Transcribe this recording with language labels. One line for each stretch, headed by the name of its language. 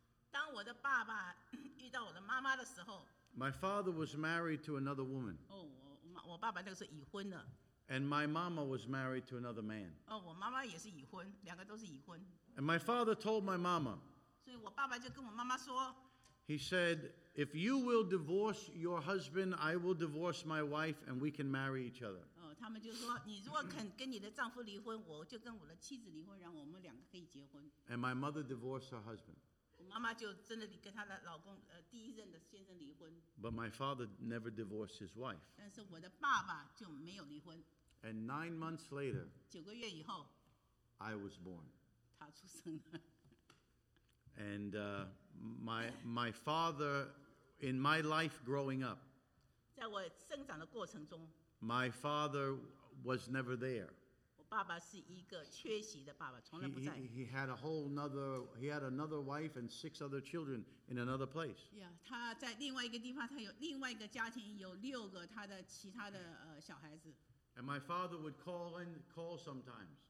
Chinese: 当我的爸爸遇到我的妈妈的时候,
English: my father was married to another woman.
Chinese: 我爸爸那个时候已婚了。
English: And my mama was married to another man.
Chinese: Oh, 我妈妈也是已婚, 两个都是已婚。
English: And my father told my mama,
Chinese: 所以我爸爸就跟我妈妈说,
English: he said, if you will divorce your husband, I will divorce my wife and we can marry each other.
Chinese: Oh, 他们就说, 你如果肯跟你的丈夫离婚, 我就跟我的妻子离婚, 让我们两个可以结婚。
English: And my mother divorced her husband.
Chinese: 我妈妈就真的跟她的老公, 第一任的先生离婚。
English: But my father never divorced his wife.
Chinese: 但是我的爸爸就没有离婚。
English: And 9 months later,
Chinese: 9个月以后,
English: I was born.
Chinese: 他出生了。
English: And my father, in my life growing up,
Chinese: 在我生长的过程中,
English: my father was never there.
Chinese: 我爸爸是一个缺席的爸爸, 从来不在。
English: He had another wife and 6 other children in another place.
Chinese: Yeah, 他在另外一个地方, 他有另外一个家庭, 有6个他的其他的, 小孩子。
English: And my father would call sometimes.